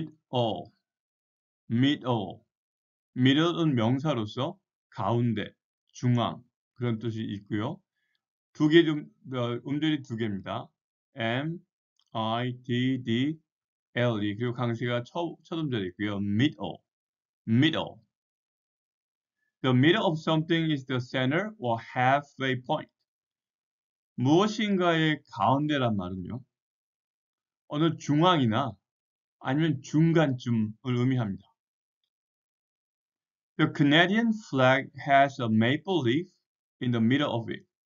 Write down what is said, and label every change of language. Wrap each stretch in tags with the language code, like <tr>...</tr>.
<ko>Middle. Middle은 명사로서 가운데, 중앙 그런 뜻이 있고요. 두 개, 음절이 두 개입니다.</ko> <en>M, I, D, D, L, E.</en> <ko>그리고 강세가 첫 음절이 있고요.</ko> <en>Middle. The middle of something is the center or halfway point.</en> <ko>무엇인가의 가운데란 말은요. 어느 중앙이나 아니면 중간쯤을 의미합니다.</ko> <en>The Canadian flag has a maple leaf in the middle of it.</en>